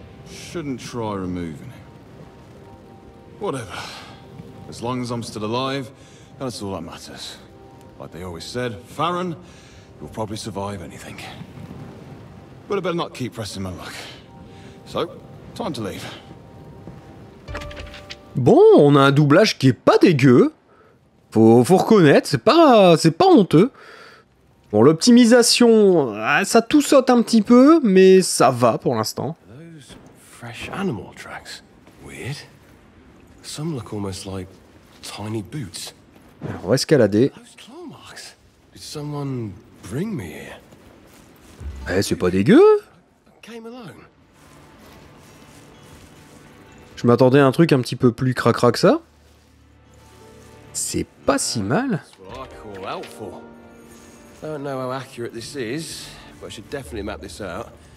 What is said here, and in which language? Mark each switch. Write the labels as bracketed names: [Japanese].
[English] Shouldn't try removing it. Whatever. As long as I'm still alive, that's all that matters. Like they always said, Farren, you'll probably survive anything. But I better not keep pressing my luck. So, time to leave. [French] Bon, on a un doublage qui est pas dégueu. Faut reconnaître, c'est pas honteux. Bon, l'optimisation, ça tout saute un petit peu, mais ça va pour l'instant. [English] Those fresh animal tracks. Weird. Some look almost like tiny boots. [French] Alors, on va escalader. [English] Those claw marks. Did someone bring me here? [French] Eh, c'est pas dégueu. [English] I came alone. [French] Je m'attendais à un truc un petit peu plus cracra que ça. C'est pas si mal. [English] That's what I call out for. I don't know how accurate this is, but I should definitely map this out.